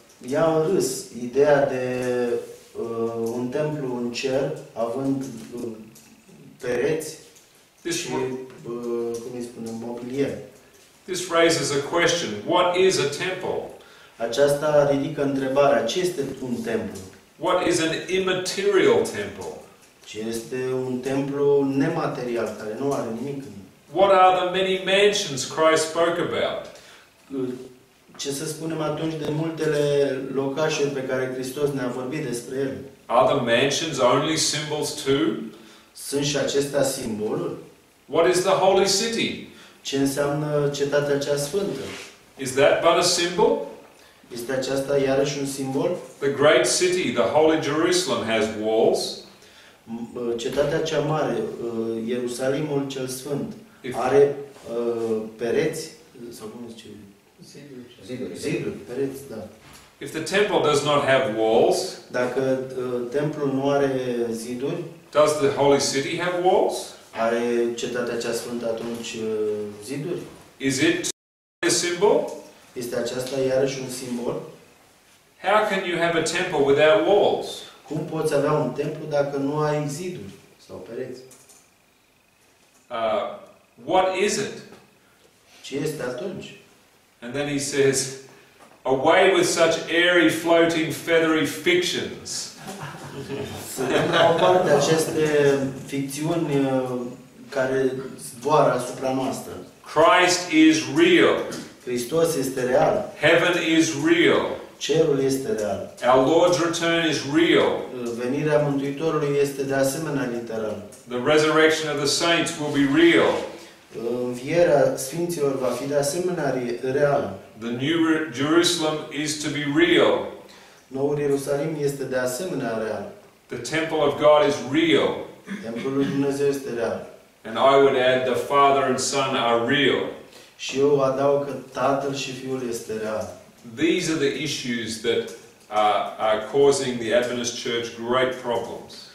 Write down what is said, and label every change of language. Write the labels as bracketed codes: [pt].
[ro] Ia în râs ideea de un templu în cer având pereți și cum îi spunem, mobilier. [en] This raises a question. What is a temple? [ro] Aceasta ridică întrebarea, ce este un templu? [en] What is an immaterial temple? [ro] Ce este un templu nematerial care nu are nimic în el? [en] What are the many mansions Christ spoke about? [ro] Ce să spunem atunci de multele locașe pe care Hristos ne-a vorbit despre ele? [en] Are the mansions only symbols too? [ro] Sunt și acestea simboluri? [en] What is the holy city? [ro] Ce înseamnă cetatea cea sfântă? [en] Is that but a symbol? [ro] Este aceasta iarăși un simbol? [en] The great city, the holy Jerusalem, has walls. [ro] Cetatea cea mare, Ierusalimul cel sfânt, are pereți, sau cum zice? Ziduri, pereți, da. [en] If the temple does not have walls, [ro] dacă templul nu are ziduri, [en] does the holy city have walls? [ro] Are cetatea cea sfântă atunci ziduri? [en] Is it a symbol? [ro] Este aceasta iarăși un simbol? [en] How can you have a temple without walls? [ro] Cum poți avea un templu dacă nu ai ziduri sau pereți? [en] What is it? [ro] Ce este atunci? [en] And then he says, away with such airy, floating, feathery fictions. [ro] Suntem la o parte aceste ficțiuni care zboară asupra noastră. [en] Christ is real. [ro] Hristos este real. [en] Heaven is real. [ro] Cerul este real. [en] Our Lord's return is real. [ro] Venirea Mântuitorului este de asemenea literală. [en] The resurrection of the saints will be real. [ro] Învierea sfinților va fi de asemenea reală. [en] The new Jerusalem is to be real. [ro] Noul Ierusalim este de asemenea real. [en] The temple of God is real. [ro] Templul lui Dumnezeu este real. [en] And I would add the Father and Son are real. [ro] Și eu adaug că Tatăl și Fiul este real. [en] These are the issues that are causing the Adventist Church great problems.